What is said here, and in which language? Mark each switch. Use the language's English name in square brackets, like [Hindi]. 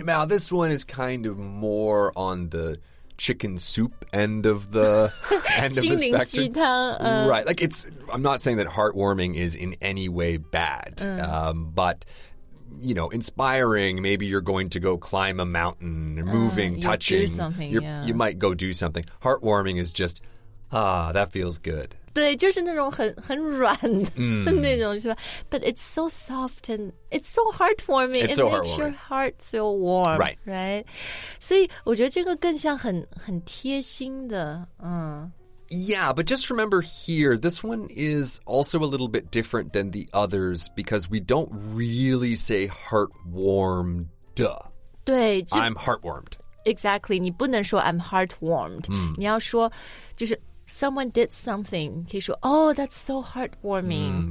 [English] Now this one is kind of more on the chicken soup end of the end of the spectrum. [Chinese] 心灵鸡汤, [English] right, like it's, I'm not saying that heartwarming is in any way bad, but, you know, inspiring, maybe you're going to go climb a mountain, moving, touching, do something, you might go do something. Heartwarming is just, that feels good. [Chinese] 对,就是那种很软的那种是吧? [English] But it's so soft and it's so heartwarming. It's so heartwarming. It makes your heart feel warm. Right. Right. [Chinese] 所以我觉得这个更像很贴心的。 [English] Yeah, but just remember here, this one is also a little bit different than the others because we don't really say heartwarmed. [Chinese] 对。 [English] I'm heartwarmed. [Chinese] Exactly. 你不能说 [English] I'm heartwarmed. [Chinese] 你要说就是 [English] Someone did something, [Chinese] 可以说 [English] oh, that's so heartwarming,